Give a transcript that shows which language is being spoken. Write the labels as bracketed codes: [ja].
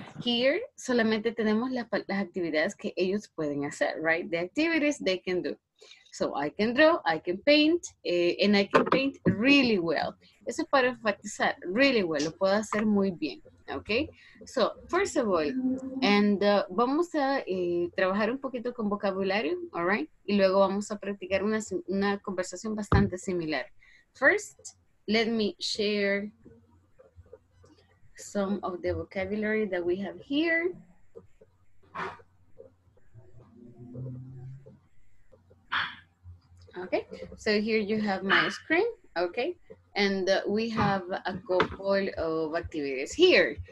[es] Here, solamente tenemos las actividades que ellos pueden hacer, right? [en] The activities they can do. So I can draw, I can paint, and I can paint really well. [es] Eso para enfatizar, [en] really well, [es] lo puedo hacer muy bien, okay? [en] So, first of all, and [es] vamos a trabajar un poquito con vocabulario, all right? Y luego vamos a practicar una conversación bastante similar. [en] First, let me share some of the vocabulary that we have here. Okay, so here you have my screen, okay? And we have a couple of activities here.